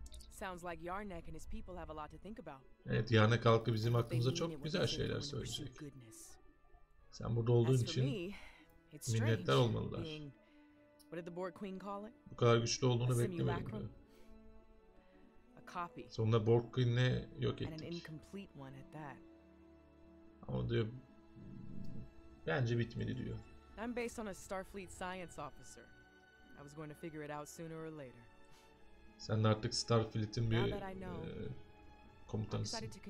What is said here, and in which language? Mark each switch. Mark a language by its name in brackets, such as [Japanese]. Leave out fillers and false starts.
[English] Sounds like Yarnak and his people have a lot to think about. [Turkish] Evet, Yarnak halkı bizim aklımıza çok güzel şeyler söyleyecek. Sen burada olduğun için minnettar olmalılar. [English] What did the Borg Queen call it? [Turkish] Bu kadar güçlü olduğunu beklemiyordu. [English] A copy. [Turkish] Sonunda Borg Queen'i yok ettik. [English] And an incomplete one at that. [Turkish] Ama diyor, bence bitmedi diyor. [English] I'm based on a Starfleet science officer. I was going to figure it out sooner or later. [Turkish] Sen artık Starfleet'in bir komutanısın.